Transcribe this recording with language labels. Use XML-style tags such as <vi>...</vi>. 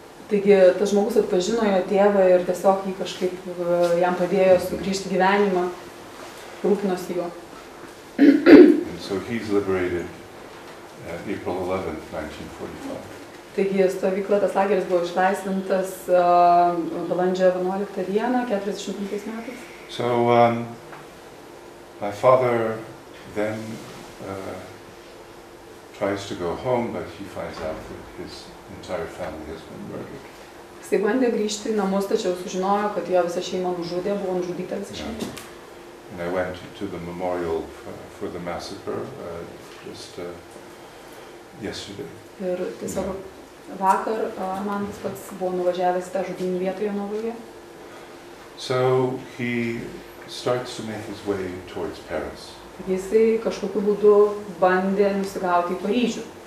<lt>Taigi, tas žmogus atpažino jo tėvą ir tiesiog jį kažkaip jam padėjo sugrįžti gyvenimą. Rūpinosi juo.</lt> <en>And so he's liberated April 11th, 1945.</en> <lt>Taigi stovykla, tas lageris buvo išlaisvintas balandžio 11 dieną, 45 metais.</lt> <en>So my father then tries to go home, but he finds out that his entire family has been murdered.</en> <lt>Jisai bandė grįžti į namus, tačiau sužinojo, kad jo visa šeima nužudė, buvo nužudyta visa šeima.</lt> <en>And I went to the memorial for the massacre just yesterday.</en> <lt>Ir tiesiog vakar man tas pats buvo nuvažiavęs į tą žudynių vietą Jonavoje.</lt> <en>So he starts to make his way towards Paris.</en> <lt>Jisai kažkokiu būdu bandė nusigauti į Paryžių.</lt>